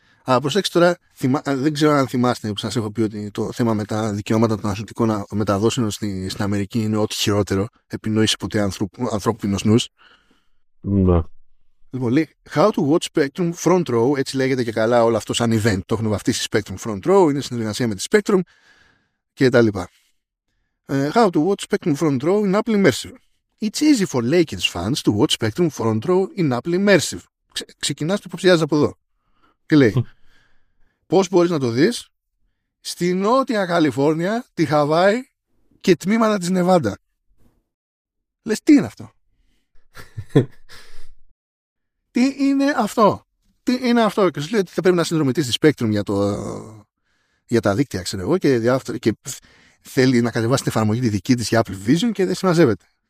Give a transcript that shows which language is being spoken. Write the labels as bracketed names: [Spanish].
[Greek] Αλλά προσέξτε τώρα, δεν ξέρω αν θυμάστε που σας έχω πει ότι το θέμα με τα δικαιώματα των αθλητικών μεταδόσεων στην Αμερική είναι ό,τι χειρότερο επινοείς ποτέ ανθρώπινος νους. Ναι. Λοιπόν, λέει, how to watch Spectrum Front Row, έτσι λέγεται και καλά όλο αυτό σαν event. Το έχουν βαφτίσει Spectrum Front Row, είναι συνεργασία με τη Spectrum και τα λοιπά. [English] How to watch Spectrum Front Row in Apple Immersive. It's easy for Lakers fans to watch Spectrum Front Row in Apple Immersive. [Greek] Ξεκινάς το υποψιάζεις από εδώ. Και λέει, πώς μπορείς να το δεις στη Νότια Καλιφόρνια, τη Χαβάη και τμήματα της Νεβάντα. Λες, τι είναι αυτό? Τι είναι αυτό? Τι είναι αυτό? Και σου λέει ότι θα πρέπει να συνδρομητείς τη Spectrum για τα δίκτυα, ξέρω εγώ, και θέλει να κατεβάσει την εφαρμογή τη δική της για Apple Vision και δεν συμμαζεύεται.